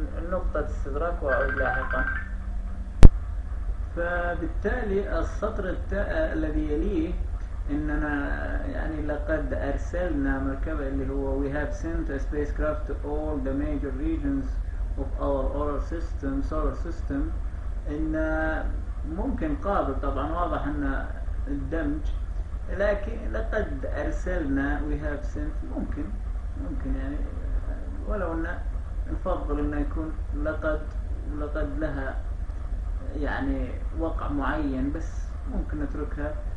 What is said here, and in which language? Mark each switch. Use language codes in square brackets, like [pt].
[ar] نقطة استدراك وأعود لاحقا. فبالتالي السطر الذي يليه إننا يعني لقد أرسلنا مركبة اللي هو [en] we have sent a spacecraft to all the major regions of our solar system. [ar] إن ممكن قابل طبعا، واضح ان الدمج، لكن لقد ارسلنا [en] we have sent، [ar] ممكن يعني، ولو ان نفضل ان يكون لقد لها يعني وقع معين، بس ممكن نتركها.